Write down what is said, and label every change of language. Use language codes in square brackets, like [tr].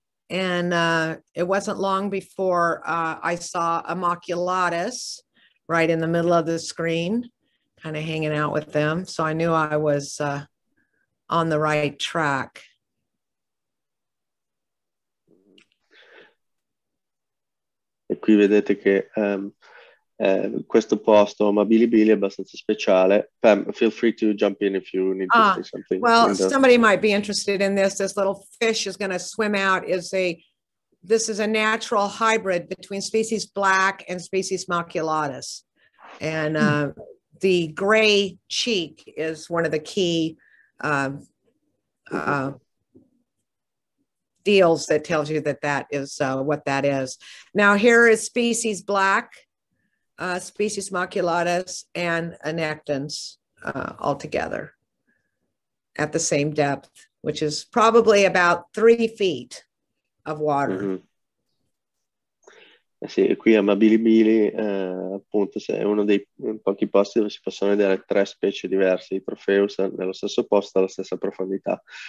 [en] And it wasn't long before I saw a maculatus right in the middle of the screen, kind of hanging out with them. So I knew I was on the right track. [it] E qui vedete che questo posto Mabili Billy è abbastanza speciale. [en] Pam, feel free to jump in if you need to say something. Well, somebody might be interested in this. This little fish is going to swim out. This is a natural hybrid between species black and species maculatus. And the gray cheek is one of the key deals that tells you that that is what that is. Now here is species black, species maculatus, and annectans all together at the same depth, which is probably about 3 feet of water. Mm-hmm. [it] Sì, qui a Mabili Billy, appunto, è uno dei pochi posti dove si possono vedere tre specie diverse di Trofeus nello stesso posto, alla stessa profondità.